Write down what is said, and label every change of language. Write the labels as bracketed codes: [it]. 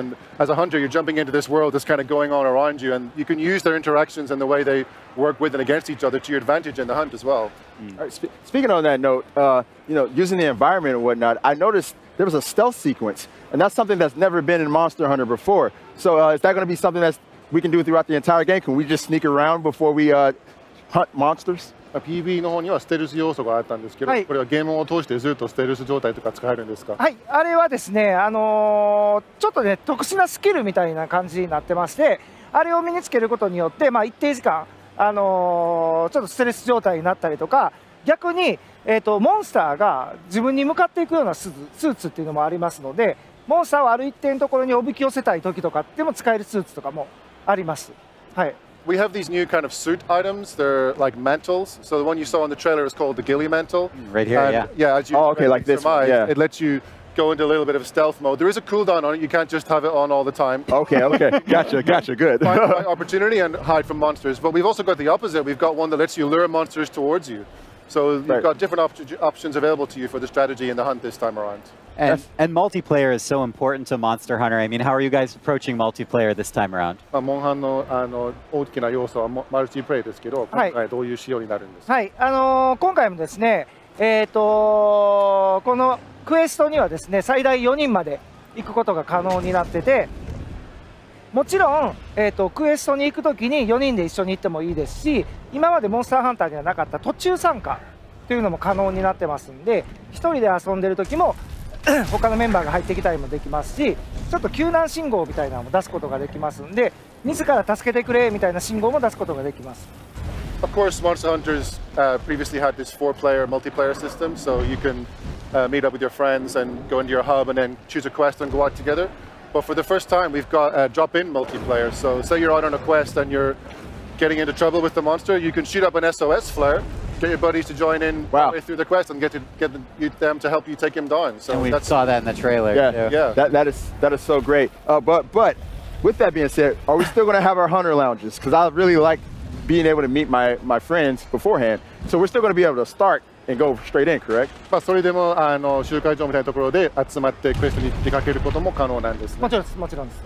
[en] And as a hunter, you're jumping into this world that's kind of going on around you, and you can use their interactions and the way they work with and against each other to your advantage in the hunt as well. Mm. All right, speaking on that note, using the environment and whatnot, I noticed there was a stealth sequence, and that's something that's never been in Monster Hunter before. So is that going to be something that we can do throughout the entire game? Can we just sneak around before we hunt monsters? [ja] PV の方にはステルス要素があったんですけど、はい、これはゲームを通してずっとステルス状態とか使えるんですか？はい、あれはですね、ちょっとね、特殊なスキルみたいな感じになってまして、あれを身につけることによって、まあ、一定時間、ちょっとステルス状態になったりとか、逆に、モンスターが自分に向かっていくようなスーツっていうのもありますので、モンスターをある一定のところにおびき寄せたい時とかでも使えるスーツとかもあります。はい。 [en] We have these new kind of suit items. They're like mantles. So the one you saw on the trailer is called the Ghillie mantle. Right here, and yeah. As you like this surmise, one, yeah. It lets you go into a little bit of stealth mode. There is a cooldown on it. You can't just have it on all the time. Okay. Gotcha, good. Find the right opportunity and hide from monsters. But we've also got the opposite. We've got one that lets you lure monsters towards you. So you've got different options available to you for the strategy and the hunt this time around. And multiplayer is so important to Monster Hunter. I mean, how are you guys approaching multiplayer this time around? [ja] Monhan の大きな要素はマルチプレイですけど、今回どういう仕様になるんですか？はい、今回もですね、このクエストにはですね、最大4人まで行くことが可能になってて、もちろん、クエストに行くときに4人で一緒に行ってもいいですし、今までモンスターハンターにはなかった途中参加というのも可能になってますんで、1人で遊んでる時も他のメンバーが入ってきたりもできますし、ちょっと救難信号みたいなのも出すことができますので、自ら助けてくれみたいな信号も出すことができます。 [en] Of course, Monster Hunters、previously had this four-player multiplayer system, so you can、meet up with your friends and go into your hub and then choose a quest and go out together. But for the first time, we've got a、drop-in multiplayer. So say you're out on a quest and you're getting into trouble with the monster, you can shoot up an SOS flare, get your buddies to join in、 wow. through the quest and get them to help you take him down. So and we saw that in the trailer. Yeah, yeah. That is so great.、but with that being said, are we still going to have our hunter lounges? Because I really like... being able to meet my friends beforehand. So we're still going to be able to start and go straight in, correct? [ja] まあそれでもあの集会場みたいなところで集まってクエストに出かけることも可能なんですね。もちろんです、もちろんです。